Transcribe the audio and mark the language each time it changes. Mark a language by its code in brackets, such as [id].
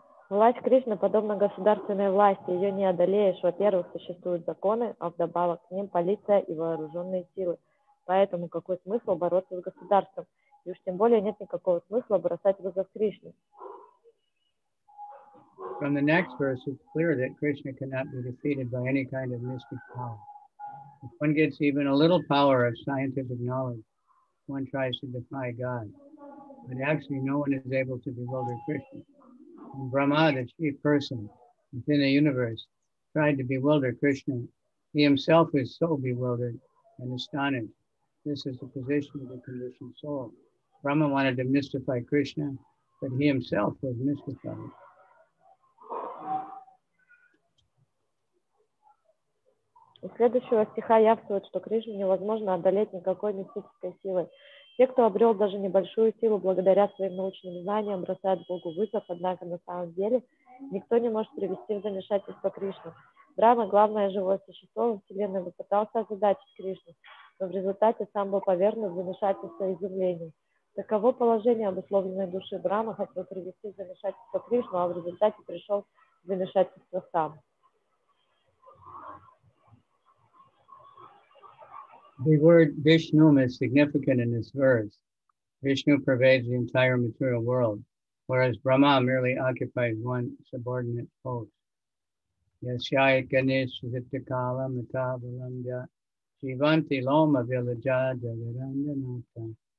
[ru] Власть Кришны подобна государственной власти. Ее не одолеешь. Во-первых, существуют законы, а вдобавок к ним полиция и вооруженные силы. Поэтому какой смысл бороться с государством? И уж тем более нет никакого смысла бросать вызов Кришне. [en] From the next verse, it's clear that Krishna cannot be defeated by any kind of mystic power. If one gets even a little power of scientific knowledge, one tries to defy God. But actually, no one is able to bewilder Krishna. When Brahmâ, the chief person within the universe, tried to bewilder Krishna, he himself is so bewildered and astonished. This is the position of the conditioned soul. Brahma wanted to mystify Krishna, but he himself was mystified. [ru] Из следующего стиха явствует, что Кришну невозможно одолеть никакой мистической силой. Те, кто обрел даже небольшую силу благодаря своим научным знаниям, бросают Богу вызов, однако на самом деле никто не может привести в замешательство Кришну. Брахма, главное живое существо во Вселенной, попытался озадачить Кришну, но в результате сам был повергнут в замешательство и изумление. Таково положение обусловленной души. Брахма хотел привести в замешательство Кришну, а в результате пришел в замешательство сам. [en] The word Vishnu is significant in this verse. Vishnu pervades the entire material world, whereas Brahma merely occupies one subordinate post. [sa] Yashai Ganesh Hittakala Matavalandya Jivanti Loma Vilaja Jagarandanata.